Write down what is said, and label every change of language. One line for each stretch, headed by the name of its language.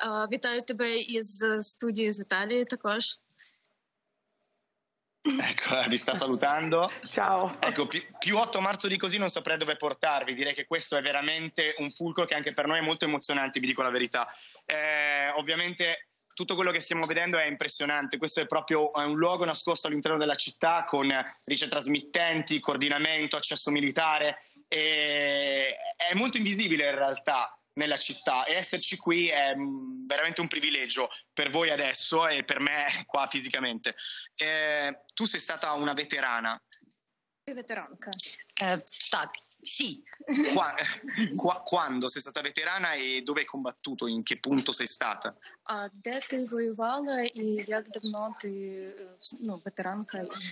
Ukrainian: Вітаю тебе із студії з Італії також.
Italian: Ecco, vi sta salutando. Ciao. Ecco, più 8 marzo di così non saprei dove portarvi. Direi che questo è veramente un fulcro che anche per noi è molto emozionante, vi dico la verità. Ovviamente tutto quello che stiamo vedendo è impressionante. Questo è proprio un luogo nascosto all'interno della città, con ricetrasmittenti, coordinamento, accesso militare. E è molto invisibile in realtà nella città, e esserci qui è veramente un privilegio per voi adesso e per me qua fisicamente. Tu sei stata una veterana.
Ukrainian: Veteranca. Tak,
Italian: sì. Quando sei stata veterana e dove hai combattuto? In che punto sei stata?
Ukrainian: Де ти воювала і як давно ти, ну, ветеранка?